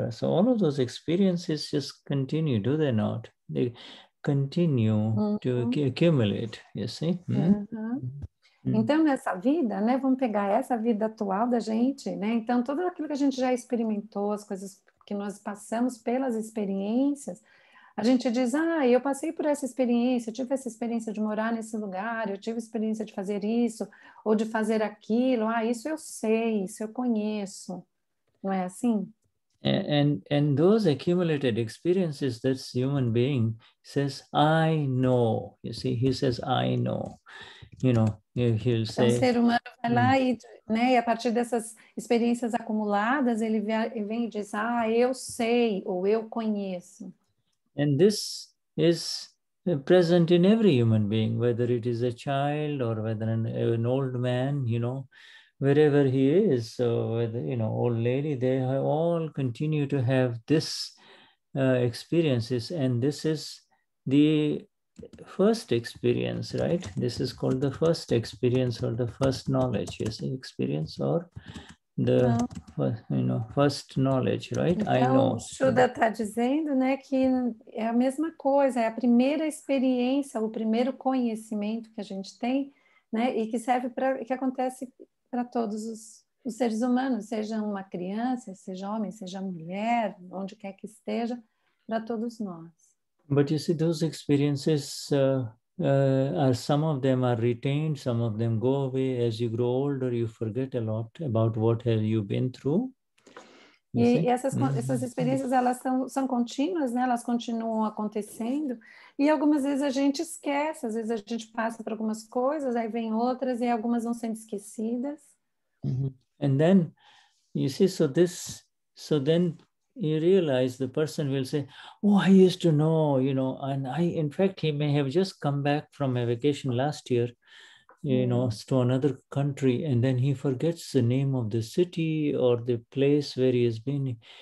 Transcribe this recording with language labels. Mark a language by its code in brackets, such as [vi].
[en] So all of those experiences just continue, do they not? They continue to accumulate, you see? [pt] Então, nessa vida, né, vamos pegar essa vida atual da gente, né? Então, tudo aquilo que a gente já experimentou, as coisas que nós passamos pelas experiências, a gente diz, eu passei por essa experiência, eu tive essa experiência de morar nesse lugar, eu tive experiência de fazer isso, ou de fazer aquilo, isso eu sei, isso eu conheço, não é assim? [en] And those accumulated experiences, this human being says, I know. You see, he says, I know. You know, he'll say... [pt] Então, o ser humano vai lá e a partir dessas experiências acumuladas, ele vem e diz, eu sei, ou eu conheço. [en] And this is present in every human being, whether it is a child or whether an old man, you know. Wherever he is, so old lady, they all continue to have this experiences, and this is the first experience, right? This is called the first experience or the first knowledge, yes, experience or the first knowledge, right? [pt] Então, [en] I know. [pt] O Shuddha está dizendo, né, que é a mesma coisa, é a primeira experiência, o primeiro conhecimento que a gente tem, né, e que serve para que acontece para todos os seres humanos, seja uma criança, seja homem, seja mulher, onde quer que esteja, para todos nós. [en] But you see, those experiences, some of them are retained, some of them go away. As you grow older, you forget a lot about what have you been through. [pt] E essas experiências, elas são contínuas, né? Elas continuam acontecendo. E algumas vezes a gente esquece, às vezes a gente passa por algumas coisas, aí vem outras e algumas vão sendo esquecidas. Uh-huh. [en] And then, you see, so then you realize the person will say, I used to know, and in fact, he may have just come back from a vacation last year, to another country, and then he forgets the name of the city or the place where he has been.